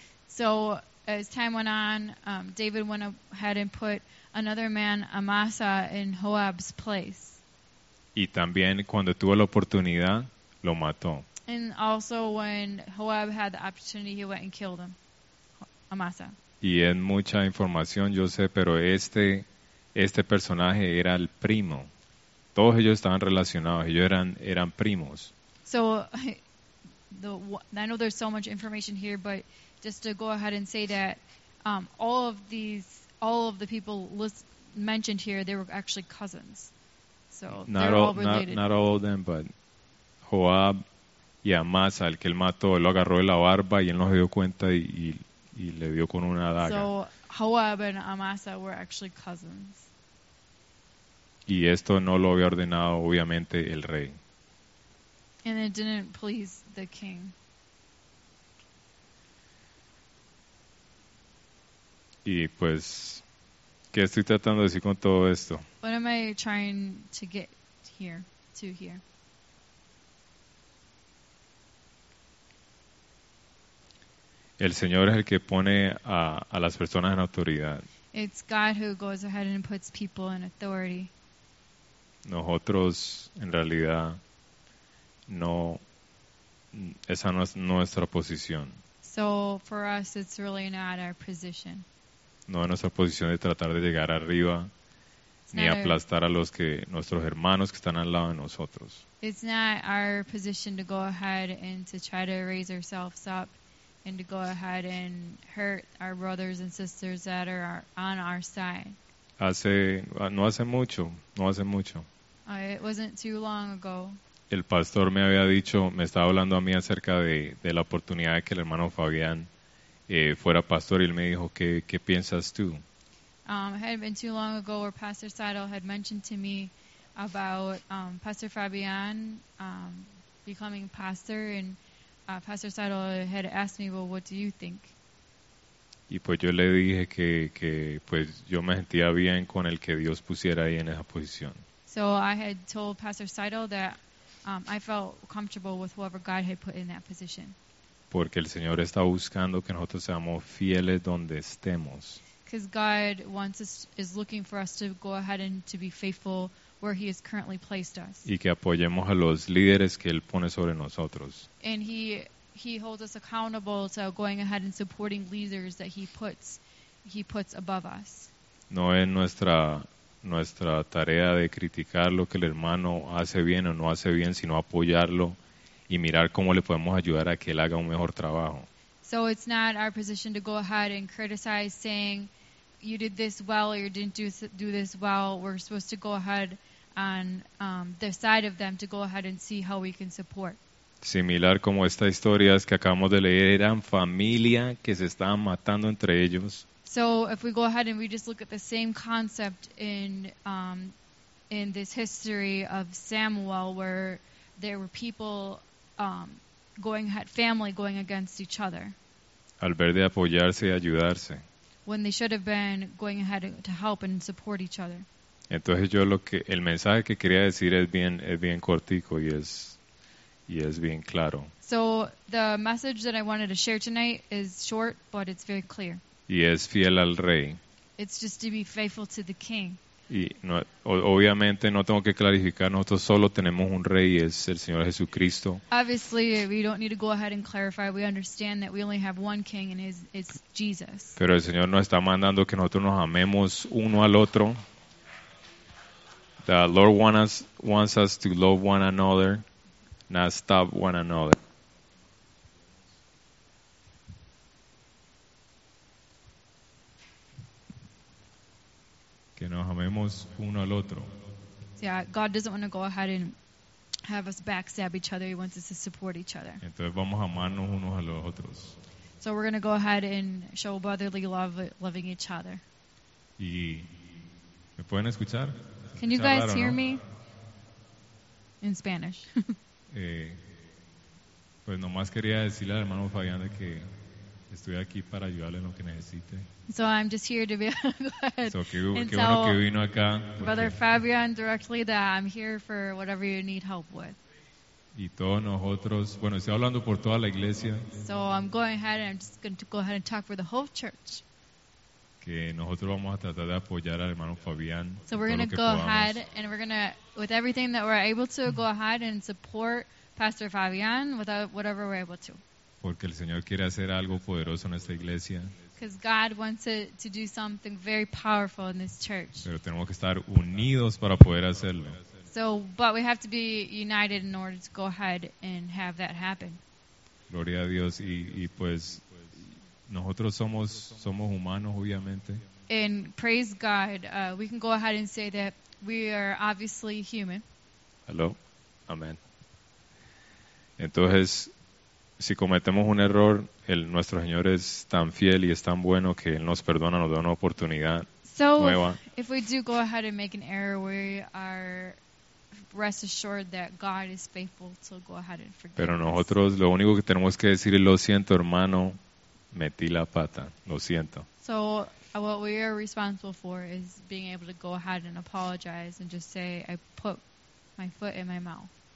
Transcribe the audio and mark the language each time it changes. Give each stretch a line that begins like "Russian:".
English: So as time went on, David went ahead and put another man, Amasa, in Joab's place.
Spanish: Y también cuando tuvo la oportunidad, lo mató.
English: And also when Joab had the opportunity, he went and killed him, Amasa.
Spanish: Y es mucha información, yo sé, pero este personaje era el primo. Todos ellos estaban relacionados, ellos eran primos.
English: So, I know there's so much information here, but just to go ahead and say that all of the people mentioned here, they were actually cousins. So they're all related. Not all of them, but
Spanish: Joab y Amasa, el que él mató, él lo agarró de la barba y él no se dio cuenta y le dio con una daga.
English: So Joab and Amasa were actually cousins.
Spanish: Y esto no lo había ordenado, obviamente, el rey.
English: And it didn't please the king.
Spanish: Y pues, ¿qué estoy tratando de decir con todo esto?
English: What am I trying to get here, to here?
Spanish: El Señor es el que pone a las personas en autoridad.
English: It's God who goes ahead and puts people in authority.
Spanish: Nosotros, en realidad, no, esa no es nuestra posición.
English: So, for us, it's really not our position.
Spanish: No es nuestra posición de tratar de llegar arriba ni aplastar a los que nuestros hermanos que están al lado de nosotros.
English: It's not our position to go ahead and to try to raise ourselves up and to go ahead and hurt our brothers and sisters that are on our side.
Spanish: No hace mucho.
English: It wasn't too long ago.
Spanish: El pastor me había dicho, me estaba hablando a mí acerca de la oportunidad de que el hermano Fabián fuera pastor, y él me dijo, ¿qué piensas tú?
English: It had been too long ago where Pastor Seidel had mentioned to me about Pastor Fabian becoming pastor, and Pastor Seidel had asked me, well, what do you think?
Spanish: Y pues yo le dije que pues yo me sentía bien con el que Dios pusiera ahí en esa posición.
English: So I had told Pastor Seidel that I felt comfortable with whoever God had put in that position.
Spanish: Porque el Señor está buscando que nosotros seamos fieles donde estemos.
English: Because God wants us, is looking for us to go ahead and to be faithful where He has currently placed us.
Spanish: Y que apoyemos a los líderes que Él pone sobre nosotros.
English: And He holds us accountable to going ahead and supporting leaders that He puts above us.
Spanish: No es nuestra tarea de criticar lo que el hermano hace bien o no hace bien, sino apoyarlo y mirar cómo le podemos ayudar a que él haga un mejor trabajo.
English: So it's not our position to go ahead and criticize, saying you did this well or you didn't do this well. We're supposed to go ahead on the side of them to go ahead and see how we can support.
Spanish: Similar como esta historia es que acabamos de leer, eran familia que se estaban matando entre ellos.
English: So if we go ahead and we just look at the same concept in this history of Samuel, where there were people family going against each other.
Spanish: Al ver de apoyarse y ayudarse.
English: When they should have been going ahead to help and support each other.
Spanish: Entonces yo el mensaje que quería decir es bien cortico y es bien claro.
English: So the message that I wanted to share tonight is short, but it's very clear.
Spanish: Y es fiel al rey.
English: It's just to be faithful to the king.
Spanish: Y no, obviamente no tengo que clarificar, nosotros solo tenemos un rey, y es el Señor Jesucristo.
English: Obviously, we don't need to go ahead and clarify. We understand that we only have one king, and it's Jesus.
Spanish: Pero el Señor nos está mandando que nosotros nos amemos uno al otro.
English: The Lord wants us to love one another, not stop one another.
Spanish: Que nos amemos uno al otro.
English: Yeah, God doesn't want to go ahead and have us backstab each other. He wants us to support each other.
Spanish: Entonces vamos a amarnos unos a los otros.
English: So we're going to go ahead and show brotherly love, loving each other.
Spanish: ¿Y me pueden escuchar?
English: Can you guys hear me? In Spanish.
Spanish: pues nomás quería decirle al hermano Fabián de que Estoy aquí para ayudarle en lo que necesite.
English: So I'm just here to be glad.
Spanish: So, qué bueno que vino acá.
English: Brother Fabian, directly, that I'm here for whatever you need help with.
Spanish: Y todos nosotros, bueno, estoy hablando por toda la iglesia.
English: So I'm going ahead and I'm just going to go ahead and talk for the whole church.
Spanish: Que nosotros vamos a tratar de apoyar al hermano Fabián.
English: So we're going to go ahead and we're going to, with everything that we're able to, go ahead and support Pastor Fabián with whatever we're able to.
Spanish: Porque el Señor quiere hacer algo poderoso en esta iglesia.
English: Because God wants to do something very powerful in this church.
Spanish: Pero tenemos que estar unidos para poder hacerlo.
English: So, but we have to be united in order to go ahead and have that happen.
Spanish: Gloria a Dios. Y pues, nosotros somos humanos, obviamente.
English: And praise God, we can go ahead and say that we are obviously human. Hello. Amen.
Spanish: Entonces, si cometemos un error, nuestro Señor es tan fiel y es tan bueno que Él nos perdona, nos da una oportunidad nueva.
English: So, if we do go ahead and make an error, we are rest assured that God is faithful to go ahead and forgive.
Spanish: Pero nosotros, lo único que tenemos que decir es lo siento, hermano, metí la pata, lo siento.
English: So, what we are responsible for is being able to go ahead and apologize and just say, I put my foot in my mouth.